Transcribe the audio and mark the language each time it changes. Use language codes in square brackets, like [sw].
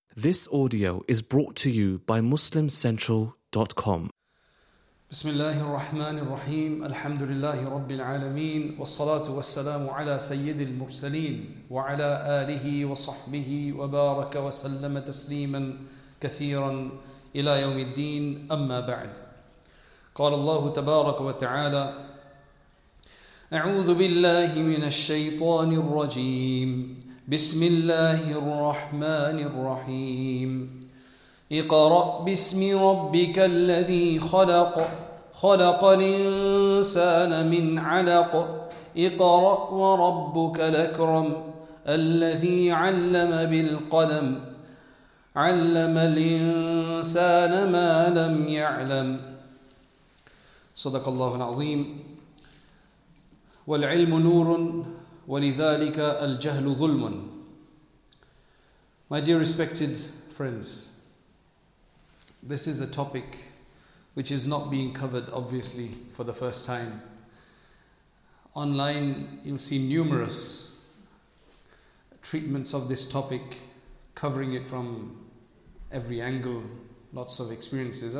[en] This audio is brought to you by MuslimCentral.com. [ar] بسم الله الرحمن الرحيم الحمد لله رب العالمين والصلاة والسلام على سيد المرسلين وعلى آله وصحبه وبارك وسلم تسليما كثيرا إلى يوم الدين أما بعد قال الله تبارك وتعالى أعوذ بالله من الشيطان الرجيم بسم الله الرحمن الرحيم اقرأ باسم ربك الذي خلق خلق الإنسان من علق اقرأ وربك الأكرم الذي علم بالقلم علم الإنسان ما لم يعلم صدق الله العظيم والعلم نور ولذلك الجهل ظلم. [en] My dear respected friends, this is a topic which is not being covered, obviously, for the first time. Online, you'll see numerous treatments of this topic, covering it from every angle, lots of experiences.